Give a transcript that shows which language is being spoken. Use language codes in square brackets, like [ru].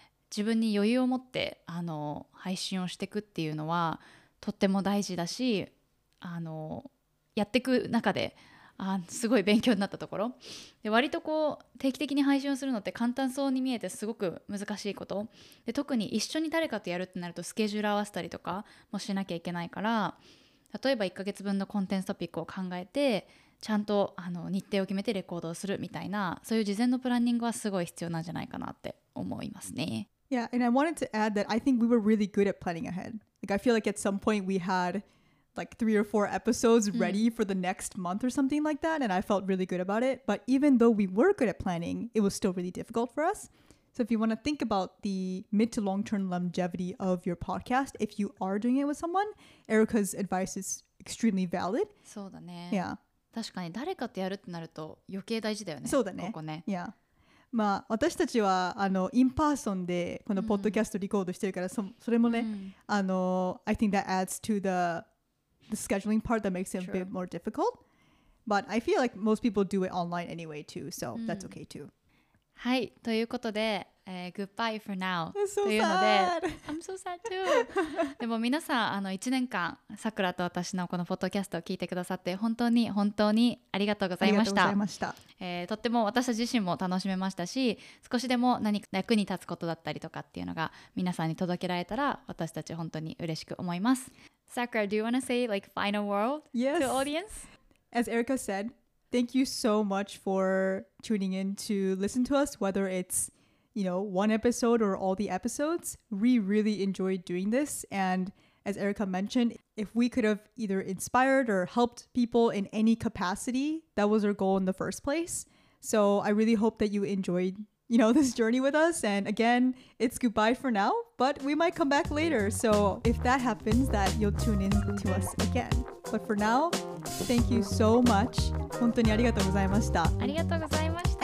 [ja] 自分に余裕を持ってあの配信をしていくっていうのはとっても大事だし、あのやっていく中であすごい勉強になったところで、割とこう定期的に配信をするのって簡単そうに見えてすごく難しいことで、特に一緒に誰かとやるってなるとスケジュール合わせたりとかもしなきゃいけないから、例えば1ヶ月分のコンテンツトピックを考えてちゃんとあの日程を決めてレコードをするみたいな、そういう事前のプランニングはすごい必要なんじゃないかなって思いますね。 [en] Yeah, and I wanted to add that I think we were really good at planning ahead. Like, I feel like at some point we had like 3 or 4 episodes ready for the next month or something like that, and I felt really good about it. But even though we were good at planning, it was still really difficult for us. So if you want to think about the mid to long-term longevity of your podcast, if you are doing it with someone, Erica's advice is extremely valid. [ja] そうだね。 [en] Yeah. [ja] 確かに誰かとやるってなると余計大事だよね。そうだね。ここね。いや、まあ私たちはあのインパーソンでこのポッドキャストリコードしてるから、それもね、あの [en] I think that adds to the scheduling part that makes it a bit more difficult. But I feel like most people do it online anyway too, so that's okay too. [ja] はい、ということで、 [en] goodbye for now. It's so sad. I'm so sad too. [ja] でも皆さん、あの1年間、さくらと私のこのポッドキャストを聞いてくださって、本当に本当にありがとうございました。ありがとうございました。とっても私たち自身も楽しめましたし、少しでも何か役に立つことだったりとかっていうのが皆さんに届けられたら、私たち本当に嬉しく思います。 [en] Sakura, do you want to say like final word to the audience? As Erica said, thank you so much for tuning in to listen to us, whether it'sone episode or all the episodes. We really enjoyed doing this, and as Erica mentioned, if we could have either inspired or helped people in any capacity, that was our goal in the first place. So I really hope that you enjoyed, you know, this journey with us. And again, it's goodbye for now, but we might come back later. So if that happens, that you'll tune in to us again. But for now, thank you so much. [ja] 本当にありがとうございました。ありがとうございました。